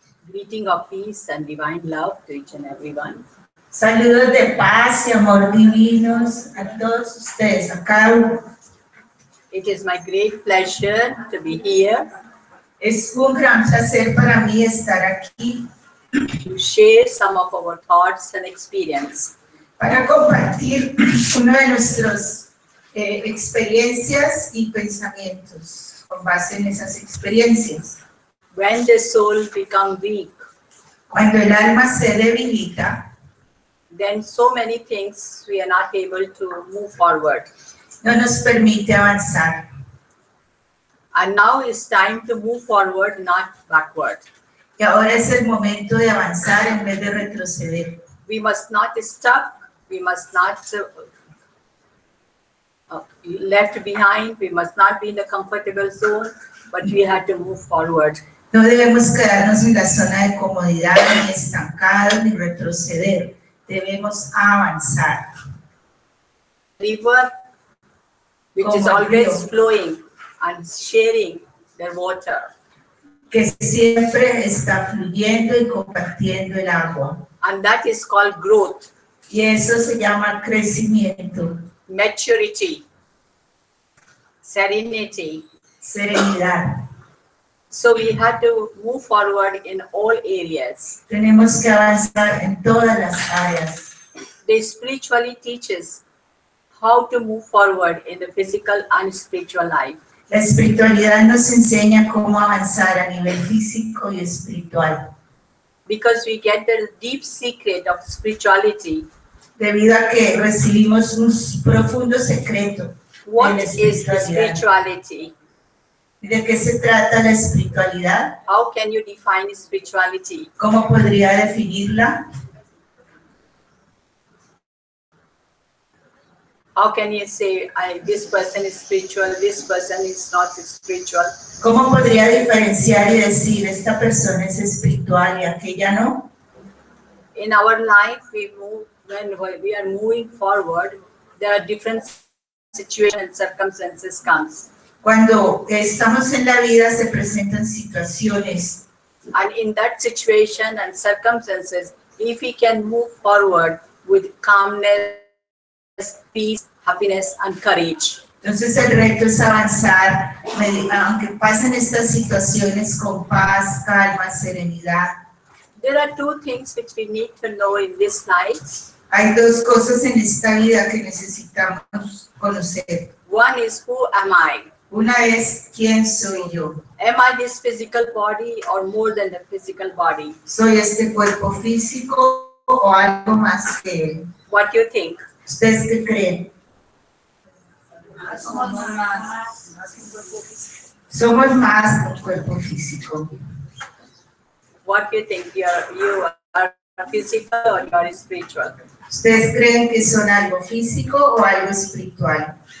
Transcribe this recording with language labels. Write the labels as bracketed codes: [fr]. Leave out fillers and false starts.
[en] Greeting of peace and divine love to each and everyone. [es] Saludos de paz y amor divinos a todos ustedes acá. [en] It is my great pleasure to be here. [es] Es un gran placer para mí estar aquí. [en] To share some of our thoughts and experience. [es] Para compartir una de nuestras experiencias y pensamientos con base en esas experiencias. [en] When the soul becomes weak, [es] cuando el alma se debilita, [en] then so many things we are not able to move forward. [es] No nos permite avanzar. [en] And now it's time to move forward, not backward. [es] Y ahora es el momento de avanzar en vez de retroceder. [en] We must not stop, we must not left behind, we must not be in the comfortable zone, but we have to move forward. [es] No debemos quedarnos en la zona de comodidad, ni estancados, ni retroceder. Debemos avanzar. [en] River, which como is always río. Flowing and sharing the water. [es] Que siempre está fluyendo y compartiendo el agua. [en] And that is called growth. [es] Y eso se llama crecimiento. [en] Maturity. Serenity. [es] Serenidad. [en] So we have to move forward in all areas. [es] Tenemos que avanzar en todas las áreas. [en] The spirituality teaches how to move forward in the physical and spiritual life. [es] La espiritualidad nos enseña cómo avanzar a nivel físico y espiritual. [en] Because we get the deep secret of spirituality. [es] Debido a que recibimos un profundo secreto. [en] What is spirituality? [es] ¿De qué se trata la espiritualidad? [en] How can you define spirituality? [es] ¿Cómo podría definirla? [en] How can you say this person is spiritual, this person is not spiritual? [es] ¿Cómo podría diferenciar y decir esta persona es espiritual y aquella no? [en] In our life, we move, when we are moving forward, there are different situations and circumstances comes. [es] Cuando estamos en la vida se presentan situaciones. [en] And in that situation and circumstances, if we can move forward with calmness, peace, happiness and courage. [es] Entonces el reto es avanzar, aunque pasen estas situaciones con paz, calma, serenidad. [en] There are two things which we need to know in this life. [es] Hay dos cosas en esta vida que necesitamos conocer. [en] One is who am I? [es] Una es, ¿quién soy yo? [en] Am I this physical body or more than the physical body? [es] ¿Soy este cuerpo físico o o algo más que él. [en] What do you think? [es] ¿Ustedes qué creen? Somos más. Somos más que el cuerpo físico. [en] What do you think? You are physical or you are spiritual? [es] ¿Ustedes creen que son algo físico o algo espiritual?